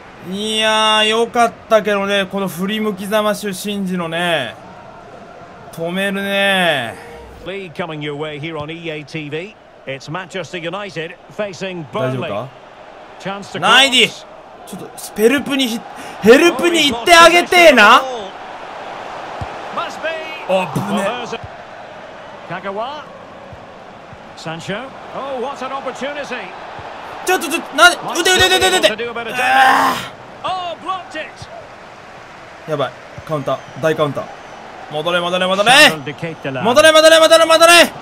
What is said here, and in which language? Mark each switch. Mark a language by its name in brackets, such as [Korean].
[English] Yeah, [Japanese] 良かったけどね、この振り向きざましゅシンジのね、止めるね。 [English] League coming your way here on EA TV. It's Manchester United facing Burnley. Chance to cross. [Japanese] ちょっとヘルプにヘルプに行ってあげてーな。 [English] Must be. [Japanese] あぶね。 [English] Kagawa, Sancho. Oh, what an opportunity! Just, just, what? Shoot, shoot, shoot, shoot, shoot! Oh, blocked it! [Japanese] Yabai, counter, 大 counter. 戻れ戻れ戻れ戻れ戻れ戻れ戻れ。